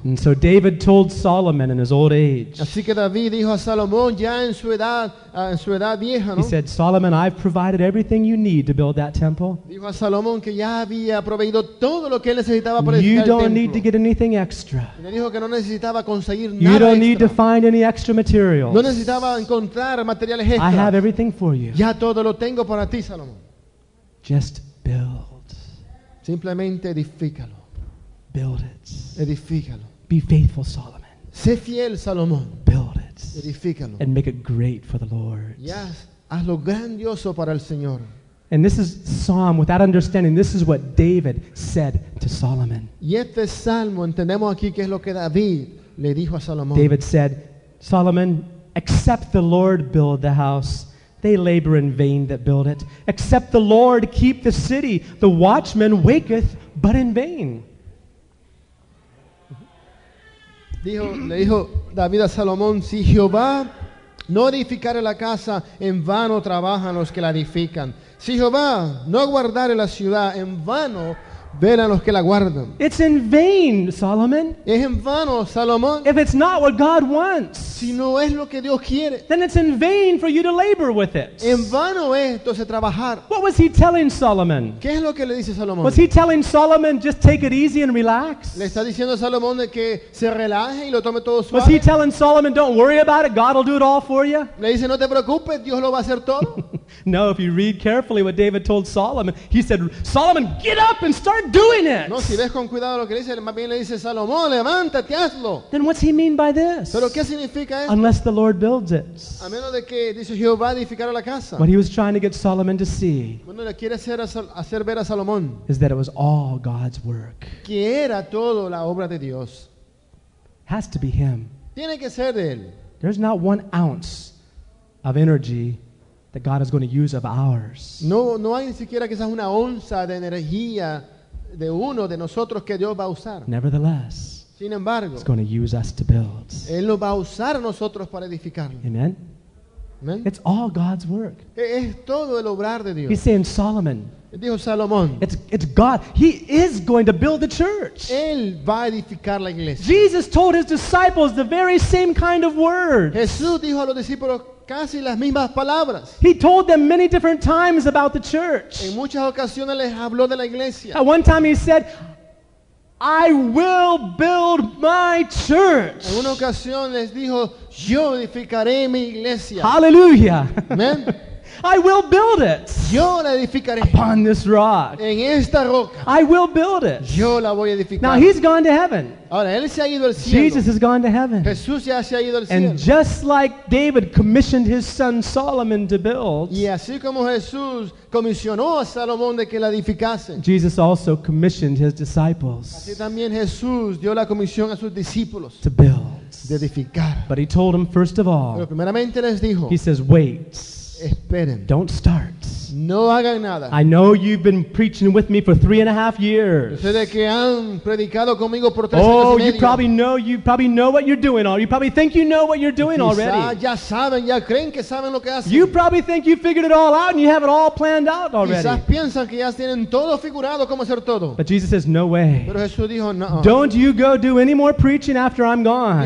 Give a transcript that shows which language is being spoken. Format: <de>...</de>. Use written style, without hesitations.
<en>And so David told Solomon in his old age.</en> <es>Así que David dijo a Salomón ya en su edad vieja, ¿no?</es> <en>He said, Solomon, I've provided everything you need to build that temple.</en> <es>Dijo a Salomón que ya había proveído todo lo que él necesitaba para edificar el</es> <en>templo. You don't need to get anything extra.</en> <es>Le dijo que no necesitaba conseguir nada extra.</es> <en>don't need to find any extra materials.</en> <es>No necesitaba encontrar materiales extra.</es> <en>I have everything for you.</en> <es>Ya todo lo tengo para ti, Salomón.</es> <en>Just build.</en> <es>Simplemente edifícalo.</es> <en>Build it.</en> <es>Edifícalo.</es> <en>Be faithful, Solomon.</en> <es>Sé fiel, Salomón.</es> <en>Build it.</en> <es>Edifícalo.</es> <en>And make it great for the Lord.</en> <es>Yes, hazlo grandioso para el Señor.</es> <en>And this is Psalm, without understanding, this is what David said to Solomon.</en> <es>Y este salmo entendemos aquí que es lo que David le dijo a Salomón.</es> <en>David said, Solomon, except the Lord build the house, they labor in vain that build it. Except the Lord keep the city, the watchman waketh, but in vain.</en> <es>Dijo, le dijo David a Salomón, si Jehová no edificare la casa, en vano trabajan los que la edifican. Si Jehová no guardare la ciudad, en vano velan los que la guardan.</es> <en>It's in vain, Solomon.</en> <es>Es en vano, Salomón.</es> <en>If it's not what God wants,</en> <es>si no es lo que Dios quiere,</es> <en>then it's in vain for you to labor with it.</en> <es>En vano es entonces trabajar.</es> <en>What was he telling Solomon?</en> <es>¿Qué es lo que le dice Salomón?</es> <en>Was he telling Solomon just take it easy and relax?</en> <es>Le está diciendo a Salomón de que se relaje y lo tome todo suave.</es> <en>Was he telling Solomon don't worry about it, God will do it all for you?</en> <es>Le dice no te preocupes, Dios lo va a hacer todo.</es> <en>No, if you read carefully what David told Solomon, he said, Solomon, get up and start doing it.</en> <es>No, si ves con cuidado lo que dice, más bien le dice Salomón, levántate, hazlo.</es> <en>Then what's he mean by this?</en> <es>Pero ¿qué significa esto?</es> <en>Unless the Lord builds it.</en> <es>A menos de que dice Jehová edificará la casa.</es> <en>What he was trying to get Solomon to see.</en> <es>Bueno, le quiere hacer ver a Salomón.</es> <en>Is that it was all God's work.</en> <es>Que era todo la obra de Dios.</es> <en>Has to be him.</en> <es>Tiene que ser de él.</es> <en>There's not 1 ounce of energy that God is going to use of ours.</en> <es>No hay ni siquiera quizás una onza de energía de uno de nosotros que Dios va a usar.</es> <en>Nevertheless,</en> <es>sin embargo,</es> <en>he's going to use us to build.</en> <es>Él lo va a usar a nosotros para edificar. Amen. Amen.</es> <en>It's all God's work.</en> <es>Es todo el obrar de Dios.</es> <en>He's saying Solomon.</en> <es>Dijo Salomón.</es> <en>It's God. He is going to build the church.</en> <es>Él va a edificar la iglesia.</es> <en>Jesus told his disciples the very same kind of word.</en> <es>Jesús dijo a los discípulos casi las mismas palabras.</es> <en>He told them many different times about the church.</en> <es>En muchas ocasiones les habló de la iglesia.</es> <en>At one time he said, I will build my church.</en> <es>En una ocasión les dijo, yo edificaré mi iglesia. Hallelujah. Amen.</es> <en>I will build it.</en> <es>Yo la edificaré.</es> <en>Upon this rock.</en> <es>En esta roca.</es> <en>I will build it.</en> <es>Yo la voy a edificar.</es> <en>Now he's gone to heaven.</en> <es>Ahora, él se ha ido al cielo.</es> <en>Jesus has gone to heaven.</en> <es>Jesús ya se ha ido al cielo.</es> <en>And just like David commissioned his son Solomon to build.</en> <es>Y así como Jesús comisionó a Salomón de que la edificase.</es> <en>Jesus also commissioned his disciples.</en> <es>Así también Jesús dio la comisión a sus discípulos.</es> <en>To build.</en> <es>De edificar.</es> <en>But he told them first of all.</en> <es>Pero primeramente les dijo.</es> <en>He says, wait.</en> <es>Esperen.</es> <en>Don't start.</en> <es>No hagan nada.</es> <en>I know you've been preaching with me for 3.5 years.</en> <es>Yo sé de que han predicado conmigo por 3 años.</es> <en>Oh, you probably know what you're doing. Or you probably think you know what you're doing already.</en> <es>Ya saben, ya creen que saben lo que hacen.</es> <en>You probably think you figured it all out and you have it all planned out already.</en> <es>Quizás piensan que ya tienen todo figurado cómo hacer todo.</es> <en>But Jesus says, no way.</en> <es>Pero Jesús dijo, no.</es> <en>Don't you go do any more preaching after I'm gone.</en>